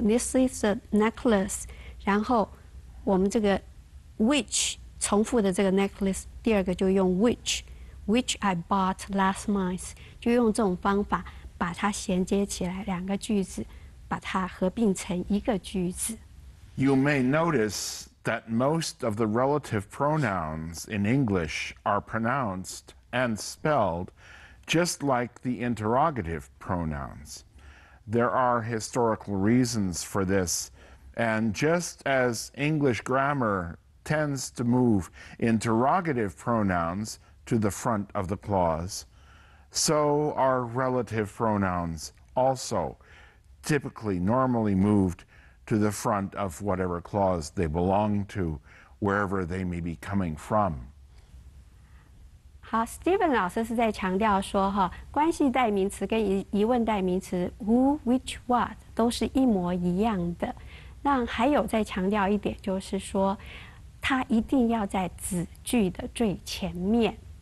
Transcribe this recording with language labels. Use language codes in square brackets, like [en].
[en] This is the necklace， [zh] 然后我们这个 which 重复的这个 necklace， 第二个就用 [en] which I bought last month， [zh] 就用这种方法把它衔接起来，两个句子把它合并成一个句子。 [en] You may notice. That most of the relative pronouns in English are pronounced and spelled just like the interrogative pronouns. There are historical reasons for this, and just as English grammar tends to move interrogative pronouns to the front of the clause, so are relative pronouns also typically normally movedto the front of whatever clause they belong to, wherever they may be coming from. [zh] 好 ,Steven 老师是在强调说哈，关系代名词跟疑问代名词 who, which, what, 都是一模一样的。那还有在强调一点就是说，它一定要在子句的最前面。